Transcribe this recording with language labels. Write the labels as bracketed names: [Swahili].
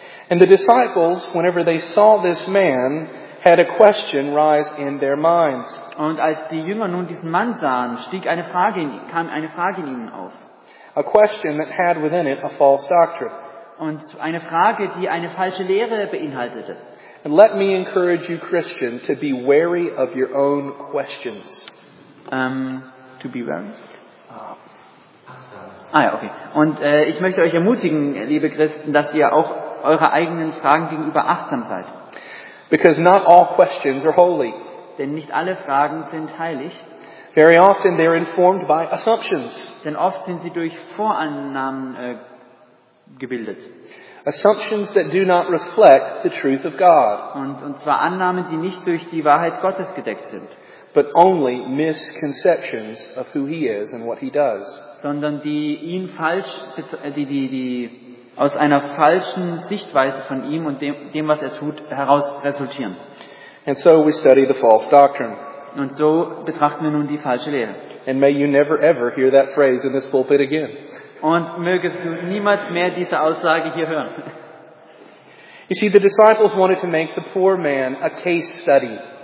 [English] And the disciples, whenever they saw this man, had a question rise in their minds. [German] Und als die Jünger nun diesen Mann sahen, kam eine Frage in ihnen auf. [English] A question that had within it a false doctrine. [German] Und eine Frage, die eine falsche Lehre beinhaltete. [English] And let me encourage you, Christian, to be wary of your own questions. To be wary? Okay. [German] Und ich möchte euch ermutigen, liebe Christen, dass ihr auch eure eigenen Fragen gegenüber achtsam seid. [English] Because not all questions are holy. [German] Denn nicht alle Fragen sind heilig. [English] Very often they're informed by assumptions. [German] Denn oft sind sie durch Vorannahmen gebildet. [English] Assumptions that do not reflect the truth of God. [German] Und zwar Annahmen, die nicht durch die Wahrheit Gottes gedeckt sind. [English] But only misconceptions of who he is and what he does. [German] Sondern die ihn falsch, die aus einer falschen Sichtweise von ihm und dem was er tut, heraus resultieren. [English] And so we study the false doctrine. [German] Und so betrachten wir nun die falsche Lehre. [English] And may you never ever hear that phrase in this pulpit again. [German] Und mögest du niemals mehr diese Aussage hier hören. [English] You see, the disciples wanted to make the poor man a case study.